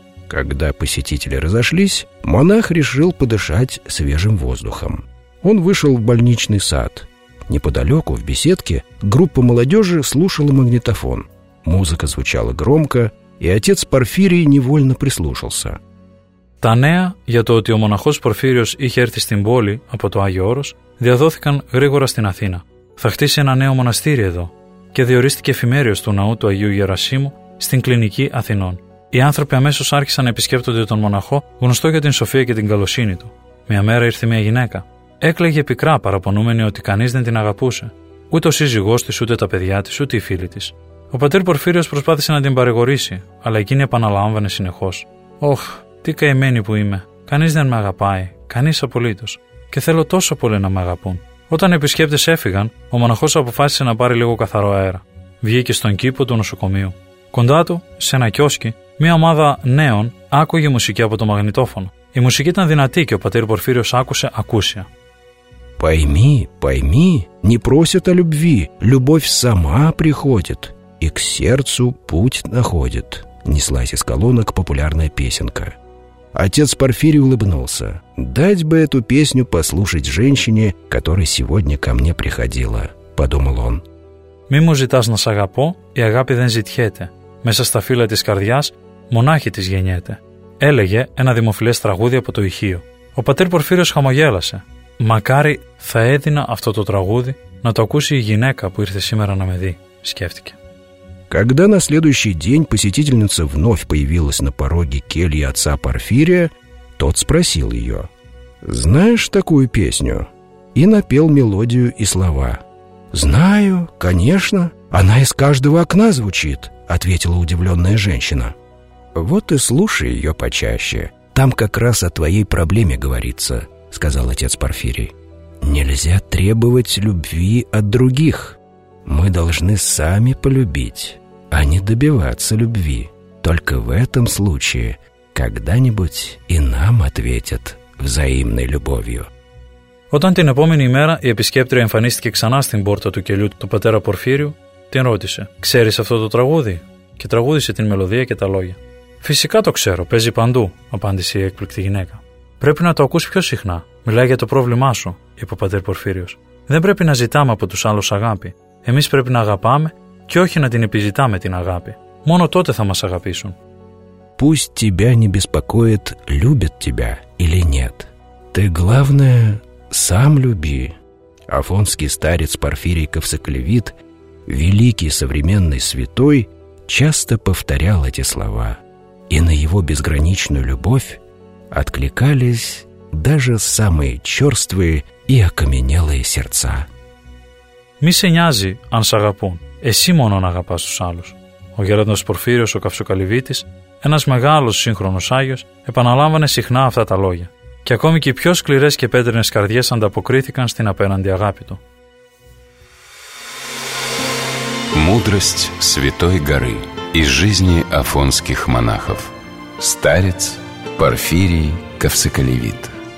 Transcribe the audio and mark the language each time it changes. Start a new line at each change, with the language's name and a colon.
Russian: Когда посетители разошлись, монах решил подышать свежим воздухом. Он вышел в больничный сад. Неподалеку, в беседке, группа молодежи слушала магнитофон. Музыка звучала громко, и отец Порфирий невольно прислушался.
Greek: Τα νέα για το ότι ο μοναχός Πορφύριος είχε έρθει στην πόλη από το Άγιο Όρος διαδόθηκαν γρήγορα στην Αθήνα. Θα χτίσει ένα νέο μοναστήρι εδώ και διορίστηκε εφημέριος του ναού του Αγίου Γερασίμου στην Κλινική Αθηνών. Οι άνθρωποι αμέσως άρχισαν να επισκέπτονται τον μοναχό, γνωστό για την σοφία και την καλοσύνη του. Μια μέρα ήρθε μια γυναίκα. Έκλαιγε πικρά, παραπονούμενη ότι κανείς δεν την αγαπούσε. Ούτε ο σύζυγός της, ούτε τα παιδιά της, ούτε οι φίλοι της. Ο πατήρ Πορφύριος προσπάθησε να την παρηγορήσει, αλλά εκείνη επαναλάμβανε συνεχώς: «Ωχ, τι καημένη που είμαι. Κανείς δεν με αγαπάει. Κανείς απολύτως. Και θέλω τόσο πολύ να με αγαπούν». Όταν οι επισκέπτες έφυγαν, ο μοναχός αποφάσισε να πάρει λίγο καθαρό αέρα. Βγήκε στον κήπο του νοσοκομείου. Κοντά του, σε ένα κιόσκι, μια ομάδα νέων άκουγε μουσική από το μαγνητόφωνο. Η μουσική ήταν δυνατή και ο πατήρ Πορφύριος άκουσε ακούσια.
Russian: «Пойми, пойми, не просят о любви. Любовь сама приходит. И к сердцу путь находит». Неслась из колонок популярная песенка. Отец Порфирий улыбнулся. «Дать бы эту песню послушать женщине, которая сегодня ко мне приходила», — подумал он.
Greek: «Мы му житас на сагапо, и агапи дэн житхете. Меса ста фила тис кардиас, монахи тис гениете», — έλεγε ένα δημοφιλές τραγούδι από το ηχείο. Ο πατήρ Πορφύριος χαμογέλασε. «Μακάρι θα έδινα αυτό το τραγούδι να το ακούσει η γυναίκα που ήρθε σήμερα να με δει», — σκέφτηκε.
Russian: Когда на следующий день посетительница вновь появилась на пороге кельи отца Порфирия, тот спросил ее: «Знаешь такую песню?» И напел мелодию и слова. «Знаю, конечно, она из каждого окна звучит», — ответила удивленная женщина. «Вот и слушай ее почаще, там как раз о твоей проблеме говорится», — сказал отец Порфирий. «Нельзя требовать любви от других, мы должны сами полюбить, а не добиваться любви. Только в этом случае когда-нибудь и нам ответят взаимной любовью».
Greek: Όταν την επόμενη ημέρα η επισκέπτρια εμφανίστηκε ξανά στην πόρτα του κελιού του πατέρα Πορφύριου, την ρώτησε: «Ξέρεις αυτό το τραγούδι?» Και τραγούδισε την μελωδία και τα λόγια. «Φυσικά το ξέρω, παίζει παντού», απάντησε η έκπληκτη γυναίκα. «Πρέπει να το ακούς πιο συχνά. Μιλάει για το πρόβλημά σου», είπε ο πατέρ Πορφύριος. «Δεν πρέπει να ζητάμε από τους άλλους αγάπη. Εμείς πρέπει να αγαπάμε και όχι να την επιζητάμε την αγάπη. Μόνο τότε θα μας αγαπήσουν.
Russian: Пусть тебя не беспокоит, любят тебя или нет. Ты главное сам люби. Афонский старец Порфирий Ковсоклевит, великий современный святой, часто повторял эти слова, и на его безграничную любовь откликались даже самые черствые и окаменелые сердца.
Greek: «Μη σε νοιάζει αν σ' αγαπούν, εσύ μόνο να αγαπάς τους άλλους». Ο γέροντας Πορφύριος ο Καυσοκαλυβίτης, ένας μεγάλος σύγχρονος Άγιος, επαναλάμβανε συχνά αυτά τα λόγια. Και ακόμη και οι πιο σκληρές και πέτρινες καρδιές ανταποκρίθηκαν στην απέναντι αγάπη του.
Russian: Мудрость Святой Горы из жизни афонских монахов. Старец Порфирий Ковсоколевит.